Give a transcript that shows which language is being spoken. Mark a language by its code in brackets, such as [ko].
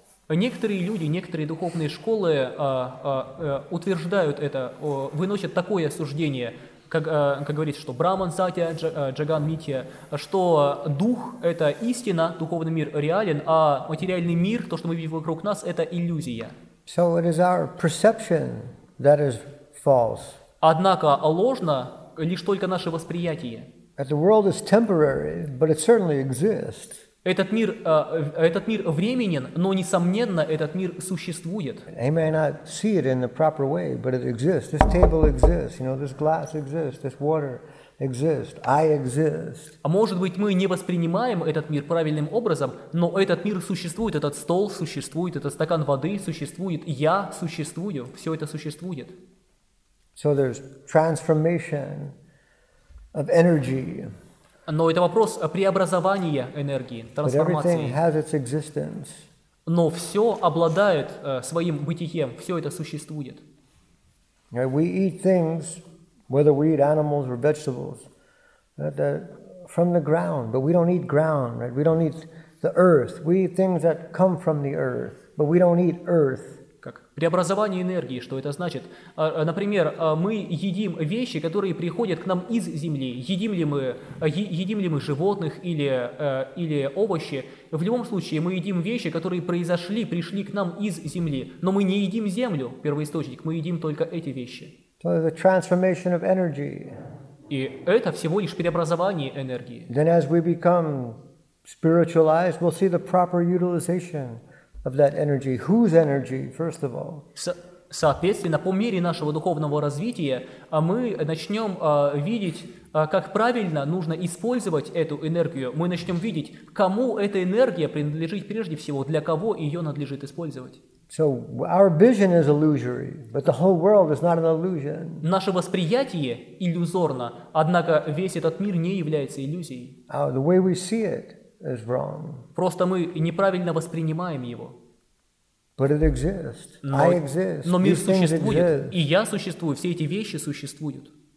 [ru] Некоторые люди, некоторые духовные школы утверждают это, выносят такое суждение, как говорится, что [sa] Брахман Сатья, Джаган Митья, [ru] что дух – это истина, духовный мир реален, а материальный мир, то, что мы видим вокруг нас, это иллюзия. [en] So it is our perception that is false. [ru] Однако ложно лишь только наше восприятие. [en] The world is temporary, but it certainly exists. [ru] Этот мир временен, но несомненно этот мир существует. [en] He may not see it in the proper way, but it exists. This table exists. You know, this glass exists. This water exists. I exist. [ru] А может быть, мы не воспринимаем этот мир правильным образом, но этот мир существует. Этот стол существует. Этот стакан воды существует. Я существую. Все это существует. [en] So there's transformation of energy. [ru] Но это вопрос преобразования энергии, трансформации. [en] But everything has its existence. [ru] Но все обладает своим бытием, все это существует. [en] We eat things, whether we eat animals or vegetables, that from the ground, but we don't eat ground, right? We don't eat the earth. We eat things that come from the earth, but we don't eat earth. [ru] Как преобразование энергии, что это значит? Например, мы едим вещи, которые приходят к нам из земли. Едим ли мы животных или овощи? В любом случае, мы едим вещи, которые пришли к нам из земли. Но мы не едим землю, первоисточник, мы едим только эти вещи. [en] So the transformation of energy. [ru] И это всего лишь преобразование энергии. [en] Then as we become spiritualized, we'll see the proper utilization of that energy. Whose energy, first of all? [ru] Соответственно, по мере нашего духовного развития, мы начнем видеть, как правильно нужно использовать эту энергию. Мы начнем видеть, кому эта энергия принадлежит прежде всего, для кого ее надлежит использовать. [en] So our vision is illusory, but the whole world is not an illusion. [ru] Наше восприятие иллюзорно, однако весь этот мир не является иллюзией. [en] The way we see it is wrong. [ru] Просто мы неправильно воспринимаем его. [en] But it exists. I exist. [ru] Но мир существует, и я существую, все эти вещи существуют.